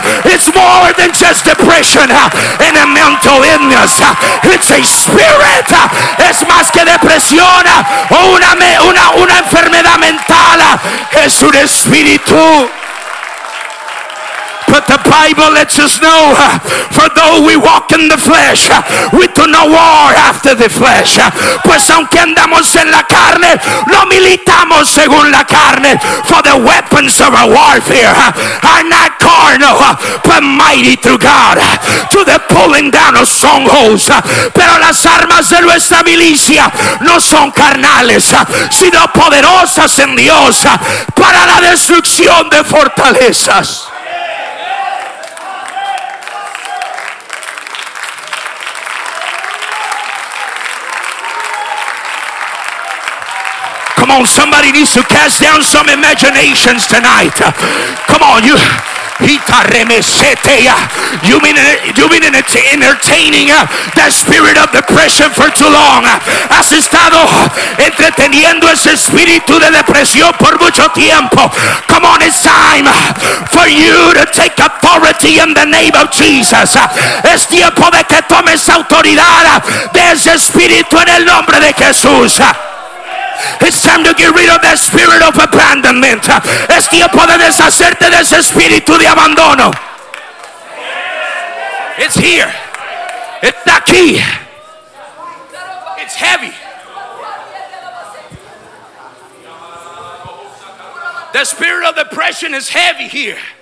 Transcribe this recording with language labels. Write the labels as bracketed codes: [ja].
[en] It's more than just depression and a mental illness. It's a spirit. [es] Es más que depresión o una enfermedad mental. Es un espíritu. [en] But the Bible lets us know, for though we walk in the flesh, we do not war after the flesh. [es] Pues aunque andamos en la carne, no militamos según la carne. [en] For the weapons of our warfare are not carnal, but mighty through God, to the pulling down of strongholds. [es] Pero las armas de nuestra milicia no son carnales, sino poderosas en Dios para la destrucción de fortalezas. [en] Come on, somebody needs to cast down some imaginations tonight. Come on, you. You've been entertaining that spirit of depression for too long. [es] Has estado entreteniendo ese espíritu de depresión por mucho tiempo. [en] Come on, it's time for you to take authority in the name of Jesus. [es] Es tiempo de que tomes autoridad de ese espíritu en el nombre de Jesús. [en] It's time to get rid of that spirit of abandonment. [es] Es tiempo de deshacerte de ese espíritu de abandono. [en] It's here. It's aquí. It's heavy. The spirit of depression is heavy here.